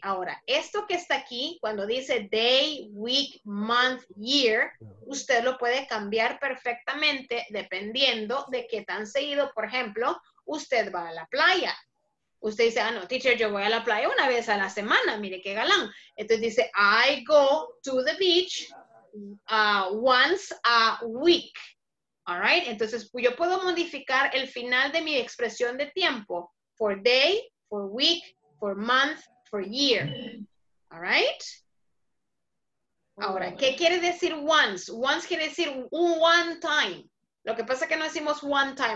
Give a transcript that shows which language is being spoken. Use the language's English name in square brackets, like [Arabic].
[Spanish] Ahora, esto que está aquí, cuando dice day, week, month, year, usted lo puede cambiar perfectamente dependiendo de qué tan seguido, por ejemplo, usted va a la playa. Usted dice, ah, no, teacher, yo voy a la playa una vez a la semana. Mire qué galán. [English] Entonces dice, I go to the beach once a week. All right? [Spanish] Entonces yo puedo modificar el final de mi expresión de tiempo for day, for week, for month, for year. All right? Ahora, ¿qué quiere decir once? Once quiere decir un one time. Lo que pasa es que no decimos one time.